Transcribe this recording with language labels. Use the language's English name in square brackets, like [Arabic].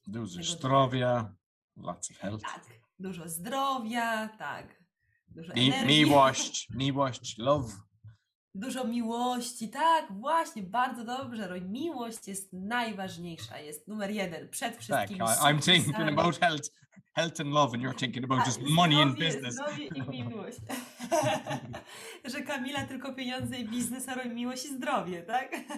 [Polish] Dużo zdrowia, [English] lots of health. [Polish] Tak, dużo zdrowia, tak. Miłość, miłość, [English] love. [Polish] Dużo miłości, tak, właśnie, bardzo dobrze, Roy. Miłość jest najważniejsza, jest numer jeden, przed wszystkim. Tak, [English] I'm thinking about health. Health and love, and you're thinking about just money and business. [Polish] Zdrowie i miłość. Że Kamila tylko pieniądze i biznes, a Roy miłość i zdrowie, tak?